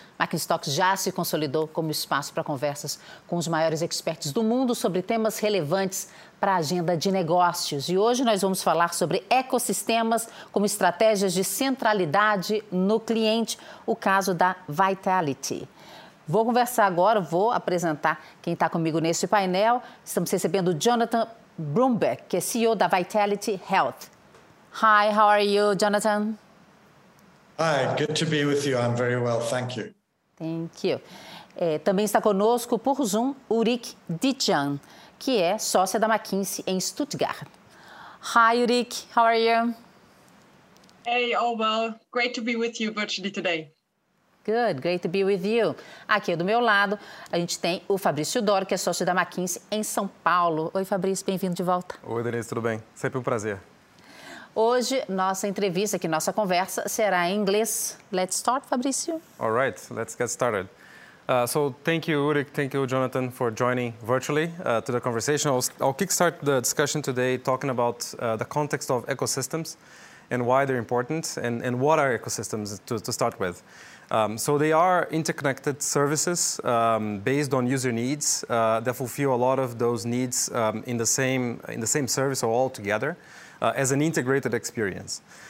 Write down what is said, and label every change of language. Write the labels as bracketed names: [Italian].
[Portuguese] McKinsey Talks já se consolidou como espaço para conversas com os maiores experts do mundo sobre temas relevantes para a agenda de negócios. E hoje nós vamos falar sobre ecossistemas como estratégias de centralidade no cliente, o caso da Vitality. Vou conversar agora, vou apresentar quem está comigo nesse painel. Estamos recebendo o Jonathan Brumbeck, que é CEO da Vitality Health. [English] Hi, how are you, Jonathan? Hi, good to be with you. I'm very well, thank you. Thank you. [Portuguese] É, também está conosco por Zoom, Ulrike Dijan, que é sócia da McKinsey em Stuttgart. [English] Hi, Ulrike, how are you? Hey, all well. Great to be with you virtually today. Good, great to be with you. [Portuguese] Aqui do meu lado, a gente tem o Fabrício Doro, que é sócio da McKinsey em São Paulo. Oi, Fabrício, bem-vindo de volta. Oi, Denise, tudo bem? Sempre um prazer. Hoje, nossa entrevista aqui, nossa conversa, será em inglês. [English] Let's start, Fabrício. All right, let's get started. So, thank you, Ulrike, thank you, Jonathan, for joining virtually to the conversation. I'll kickstart the discussion today talking about the context of ecosystems and why they're important and what are ecosystems to start with. So they are interconnected services based on user needs that fulfill a lot of those needs in the same service or all together as an integrated experience.